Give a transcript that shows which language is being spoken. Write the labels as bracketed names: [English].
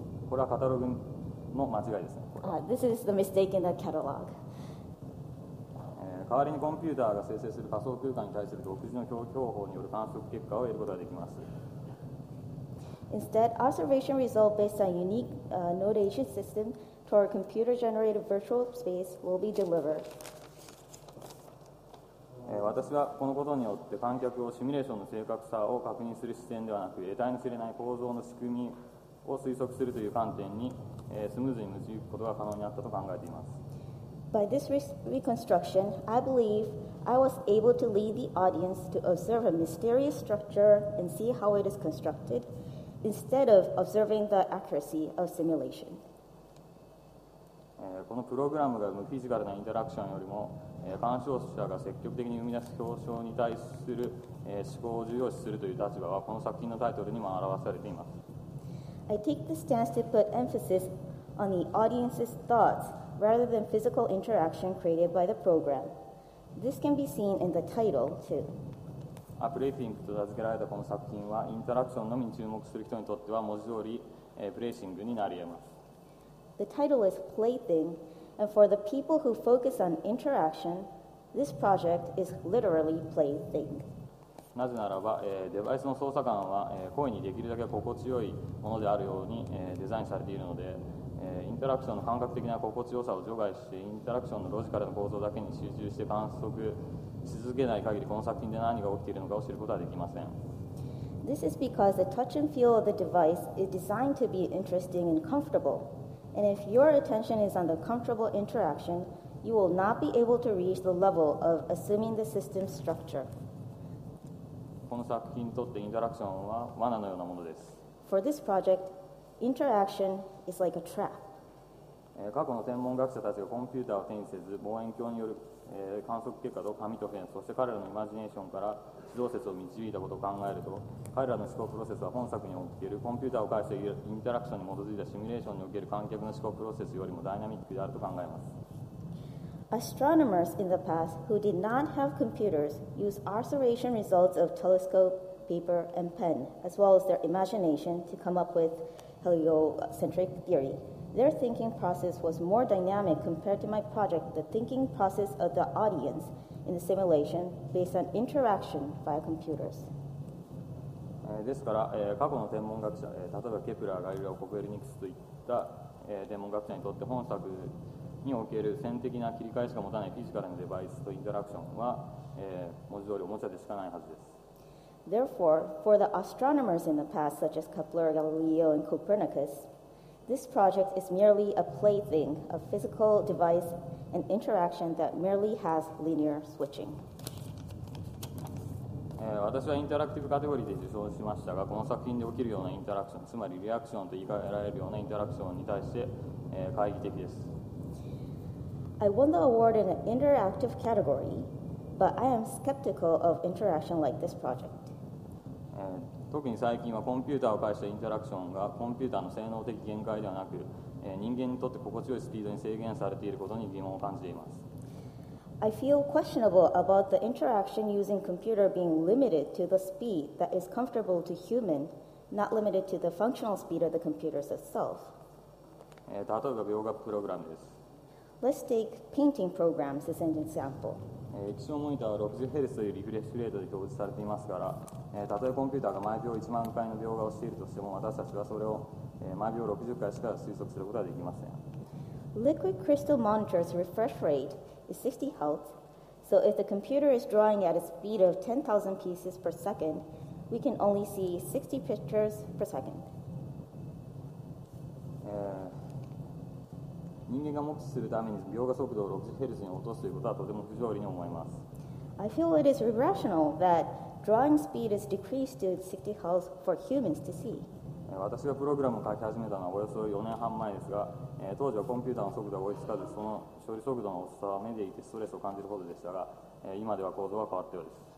[Japanese] これはカタログの間違いですね。 [English] This is the mistake in the catalog. [Japanese] 代わりにコンピューターが生成する仮想空間に対する独自の表記方法による観測結果を得ることができます。 [English] Instead, observation result based on unique notation system to our computer-generated virtual space will be delivered. [Japanese] 私はこのことによって観客をシミュレーションの正確さを確認する視点ではなく、得体の知れない構造の仕組みを推測するという観点に、スムーズに導くことが可能になったと考えています。 [English] By this reconstruction, I believe I was able to lead the audience to observe a mysterious structure and see how it is constructed, instead of observing the accuracy of simulation. [Japanese] このプログラムが生むフィジカルなインタラクションよりも、鑑賞者が積極的に生み出す表象に対する、思考を重要視するという立場は、この作品のタイトルにも表されています。 [English] I take the stance to put emphasis on the audience's thoughts. Rather than physical interaction created by the program. This can be seen in the title, too. [Japanese] アプレイシングと名付けられたこの作品は、インタラクションのみに注目する人にとっては、文字通り、プレイシングになり得ます。 [English] The title is Plaything, and for the people who focus on interaction, this project is literally Plaything. [Japanese] なぜならば、デバイスの操作感は、声にできるだけ心地よいものであるように、デザインされているので、インタラクションの感覚的な心地よさを除外して、インタラクションのロジカルな構造だけに集中して観測し続けない限り、この作品で何が起きているのかを知ることはできません。 [English] This is because the touch and feel of the device is designed to be interesting and comfortable. And if your attention is on the comfortable interaction, you will not be able to reach the level of assuming the system's structure. [Japanese] この作品にとってインタラクションは罠のようなものです。 [English] For this project, interaction is like a trap. [Japanese] 過去の専門学者たちがコンピューターを手にせず望遠鏡による観測結果と紙とペン、そして彼らのイマジネーションから地動説を導いたことを考えると、彼らの思考プロセスは本作におけるコンピューターを介したインタラクションに基づいたシミュレーションにおける観客の思考プロセスよりもダイナミックであると考えます。 [English] Astronomers in the past who did not have computers use observation results of telescope, paper and pen as well as their imagination to come up with heliocentric theory. Their thinking process was more dynamic compared to my project, the thinking process of the audience in the simulation based on interaction via computers. [Japanese] ですから、過去の天文学者、例えばケプラー、ガリレオ、コペルニクスといった、天文学者にとって本作における線的な切り替えしか持たないフィジカルのデバイスとインタラクションは、文字通りおもちゃでしかないはずです。 [English] Therefore, for the astronomers in the past, such as Kepler, Galileo, and Copernicus,This project is merely a plaything, a physical device, an interaction that merely has linear switching. [Japanese] 私はインタラクティブカテゴリーで受賞しましたが、この作品で起きるようなインタラクション、つまりリアクションと言い換えられるようなインタラクションに対して、懐疑的です。 [English] I won the award in an interactive category, but I am skeptical of interaction like this project. [Japanese] 特に最近はコンピューターを介したインタラクションがコンピューターの性能的限界ではなく、人間にとって心地よいスピードに制限されていることに疑問を感じています。 [English] I feel questionable about the interaction using computer being limited to the speed that is comfortable to human, not limited to the functional speed of the computers itself. [Japanese] 例えば描画プログラムです。 [English] Let's take painting programs as an example. [Japanese] 液晶モニターは 60Hz というリフレッシュレートで表示されていますから、たとえコンピューターが毎秒1万回の描画をしているとしても、私たちはそれを、毎秒60回しか推測することはできません。 [English] Liquid crystal monitor's refresh rate is 60Hz, so if the computer is drawing at a speed of 10,000 pieces per second, we can only see 60 pictures per second. [Japanese] 人間が目視するために描画速度を 60Hz に落とすということはとても不条理に思います。 [English] I feel it is irrational that drawing speed is decreased to 60Hz for humans to see. [Japanese] 私がプログラムを書き始めたのはおよそ4年半前ですが、当時はコンピューターの速度が追いつかず、その処理速度の遅さは目でいてストレスを感じるほどでしたが、今では構造は変わったようです。